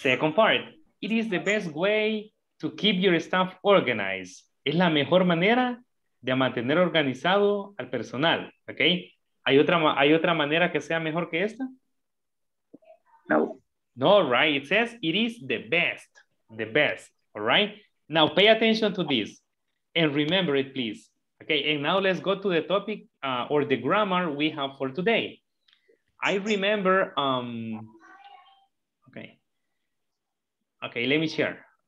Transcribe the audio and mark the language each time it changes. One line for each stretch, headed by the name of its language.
English: Second part, it is the best way to keep your staff organized.
Spanish: Es la mejor manera de mantener organizado al personal, okay? ¿Hay otra manera que sea mejor que esta? No,
English: right? It says it is the best, all right? Now pay attention to this and remember it, please. Okay, and now let's go to the topic or the grammar we have for today. I remember, okay, let me share.